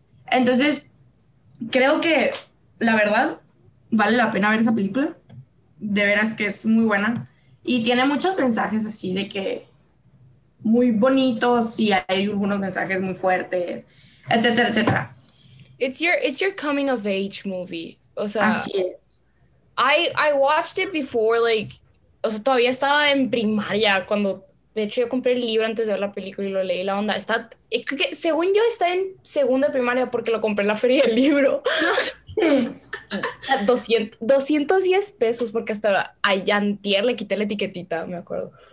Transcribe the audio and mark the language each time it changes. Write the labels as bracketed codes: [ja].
[es] Entonces, creo que, la verdad, vale la pena ver esa película. De veras que es muy buena. Y tiene muchos mensajes así de que muy bonitos y hay algunos mensajes muy fuertes, etcétera, etcétera. [en] It's your coming of age movie. [es] O sea, así es. [en] I watched it before, like, [es] o sea, todavía estaba en primaria cuando, de hecho, yo compré el libro antes de ver la película y lo leí, la onda. Está, creo que, según yo, está en segunda primaria porque lo compré en la feria del libro. 210 pesos porque hasta a Yantier le quité la etiquetita, me acuerdo.